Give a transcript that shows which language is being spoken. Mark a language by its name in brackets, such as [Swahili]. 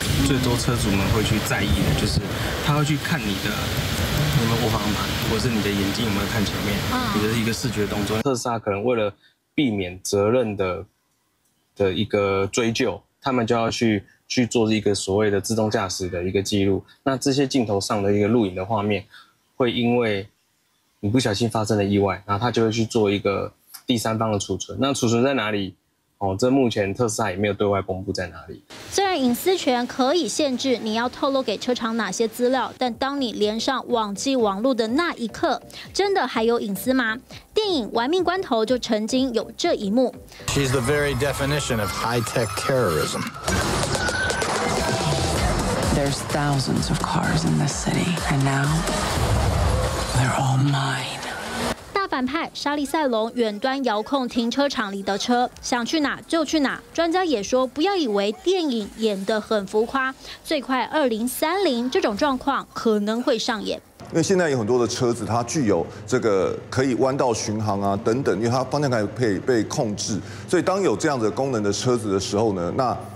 [Chinese] 最多车主们会去在意的就是他会去看你的有没有握方向盘，或是你的眼睛有没有看前面，你的一个视觉动作。特斯拉可能为了避免责任的一个追究，他们就要去做一个所谓的自动驾驶的一个记录，那这些镜头上的一个录影的画面，会因为你不小心发生了意外，然后他就会去做一个第三方的储存。那储存在哪里？这目前特斯拉也没有对外公布在哪里。虽然隐私权可以限制你要透露给车厂哪些资料，但当你连上网际网络的那一刻，真的还有隐私吗？电影《玩命关头》就曾经有这一幕。 [English] She's the very definition of high-tech terrorism. There's thousands of cars in this city, and now they're all mine. [Chinese] 反派沙利塞隆远端遥控停车场里的车，想去哪就去哪。专家也说，不要以为电影演得很浮夸，最快2030这种状况可能会上演。因为现在有很多的车子，它具有这个可以弯道巡航啊等等，因为它方向盘可以被控制，所以当有这样的功能的车子的时候呢，那